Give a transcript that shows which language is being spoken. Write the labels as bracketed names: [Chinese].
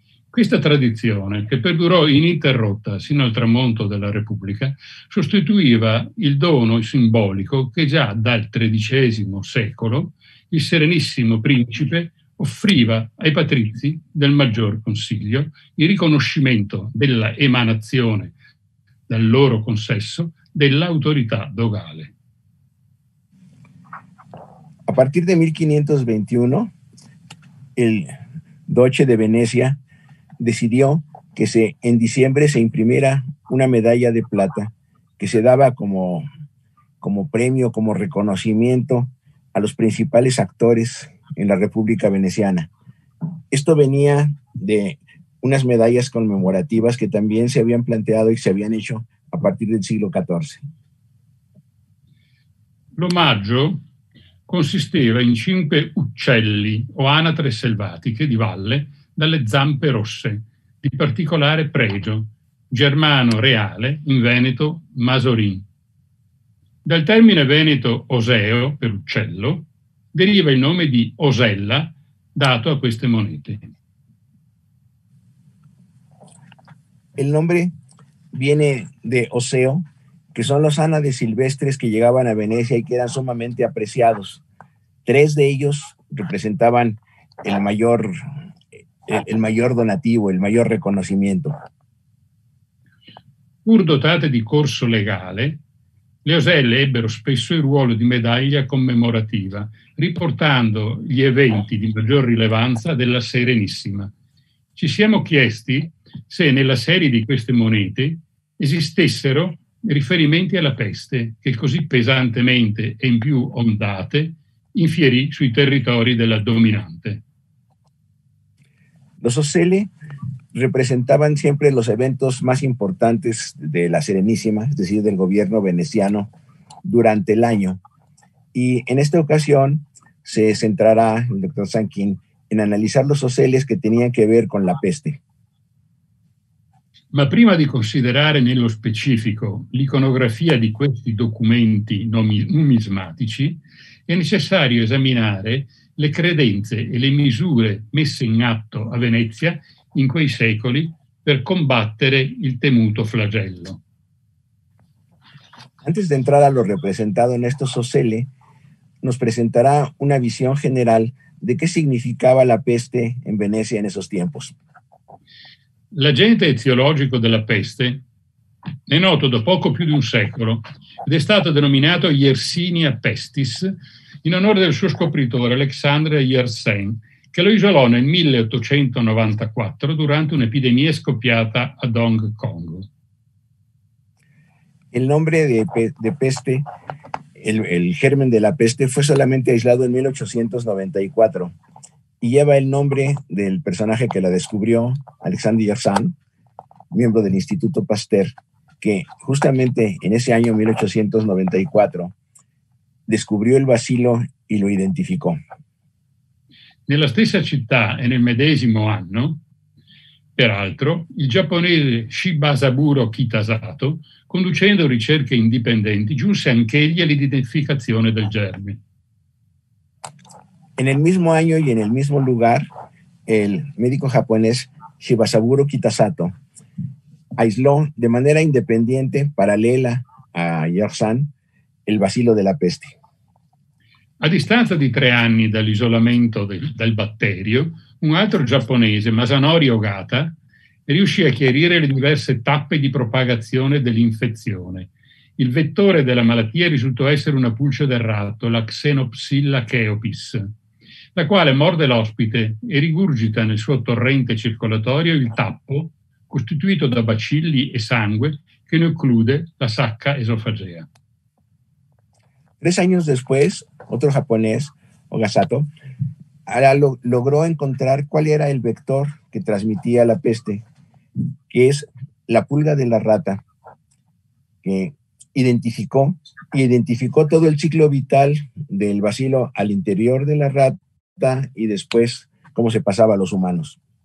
[Italian] Questa tradizione, che perdurò ininterrotta sino al tramonto della Repubblica, sostituiva il dono simbolico che già dal XIII secolo il Serenissimo Principe offriva ai patrizi del Maggior Consiglio in riconoscimento della emanazione dal loro consesso dell'autorità dogale. [Spanish] A partir de 1521, el Doge de Venecia decidió que en diciembre se imprimiera una medalla de plata que se daba como premio, como reconocimiento a los principales actores en la República Veneciana. Esto venía de unas medallas conmemorativas que también se habían planteado y se habían hecho a partir del siglo XIV. [Italian] L'omaggio consisteva in 5 uccelli o anatre selvatiche di valle dalle zampe rosse, di particolare pregio, germano reale in Veneto Masorin. Dal termine veneto oseo, per uccello, deriva il nome di osella dato a queste monete. [Spanish] El nombre viene de oseo, que son los ánades silvestres que llegaban a Venecia y que eran sumamente apreciados. 3 de ellos representaban el mayor donativo, el mayor reconocimiento. [Italian] Pur dotate di corso legale, le oselle ebbero spesso il ruolo di medaglia commemorativa, riportando gli eventi di maggior rilevanza della Serenissima. Ci siamo chiesti se nella serie di queste monete esistessero riferimenti alla peste che così pesantemente e in più ondate infierì sui territori della dominante. [Spanish] Los oselle representaban siempre los eventos más importantes de la Serenísima, es decir, del gobierno veneciano durante el año. Y en esta ocasión se centrará el doctor Sanquín en analizar los oselles que tenían que ver con la peste. [Italian] Ma prima di considerare nello specifico l'iconografia di questi documenti numismatici, è necessario esaminare le credenze e le misure messe in atto a Venezia in quei secoli per combattere il temuto flagello. [Spanish] Antes de entrar a lo representado en estos oselles, nos presentará una visión general de qué significaba la peste en Venecia en esos tiempos. [Italian] L'agente eziologico della peste è noto da poco più di un secolo ed è stato denominato Yersinia pestis in onore del suo scopritore Alexandre Yersin, che lo isolò nel 1894 durante un'epidemia scoppiata a Hong Kong. Il nome di peste, il germen della peste, fu solamente aislato nel 1894. [Spanish] Y lleva el nombre del personaje que la descubrió, Alexandre Yersin, miembro del Instituto Pasteur, que justamente en ese año 1894 descubrió el bacilo y lo identificó. [Italian] Nella stessa città e nel medesimo anno, peraltro, il giapponese Shibasaburo Kitasato, conducendo ricerche indipendenti, giunse anch'egli all'identificazione del germe. [Spanish] En el mismo año y en el mismo lugar, el médico japonés Shibasaburo Kitasato aisló de manera independiente, paralela a Yersan, el bacilo de la peste. [Italian] A distanza di 3 anni dall'isolamento del batterio, un altro giapponese, Masanori Ogata, riuscì a chiarire le diverse tappe di propagazione dell'infezione. Il vettore della malattia risultò essere una pulce del ratto, la Xenopsilla cheopis, la quale morde l'ospite e rigurgita nel suo torrente circolatorio il tappo, costituito da bacilli e sangue, che ne occlude la sacca esofagea. [Spanish] 3 anni después, otro japonés, Ogasato, logró encontrar cuál era el vector que transmitía la peste, que es la pulga de la rata, que identificó todo el ciclo vital del bacilo al interior de la rata y después cómo se pasaba a los humanos.